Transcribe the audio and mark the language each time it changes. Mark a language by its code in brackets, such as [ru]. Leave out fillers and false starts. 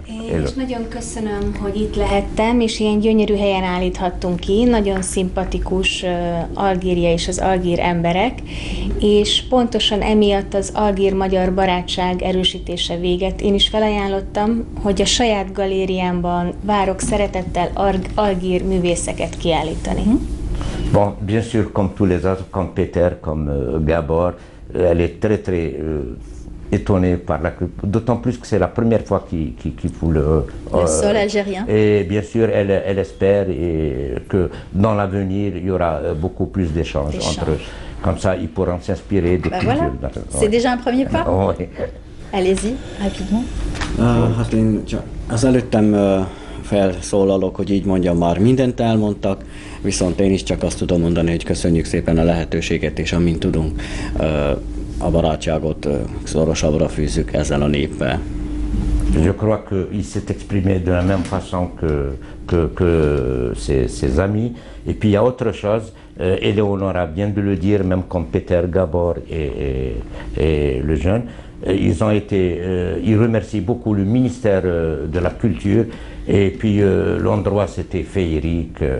[hu] És nagyon köszönöm, hogy itt lehettem, és ilyen gyönyörű helyen állíthattunk ki, nagyon szimpatikus Algéria és az algír emberek, és pontosan emiatt az algír-magyar barátság erősítése véget. Én is felajánlottam, hogy a saját galériámban várok szeretettel algír művészeket kiállítani. [fr] Bon, bien sûr, comme tous les autres, comme Péter, comme Gábor, elle est très, très... étonné par la culture, d'autant plus que c'est la première fois qu'il foule le sol algérien. Et bien sûr, elle espère et que dans l'avenir, il y aura beaucoup plus d'échanges entre eux. Comme ça, ils pourront s'inspirer de cultures. Voilà. C'est déjà un premier pas. Oui. Allez-y, rapidement. [hu] Hát én csak azelőttem felszólalok, hogy így mondjam, már mindent elmondtak, viszont én is csak azt tudom mondani, hogy köszönjük szépen a lehetőséget, és amint tudunk, a barátságot szorosabbra fűzzük ezzel a néppel. [fr] Je crois qu'il s'est exprimé de la même façon que ses amis. Et puis il y a autre chose, Eleonora vient de le dire, même comme Peter Gabor et le jeune, ils ont été, ils remercient beaucoup le ministère de la Culture et puis l'endroit c'était féerique.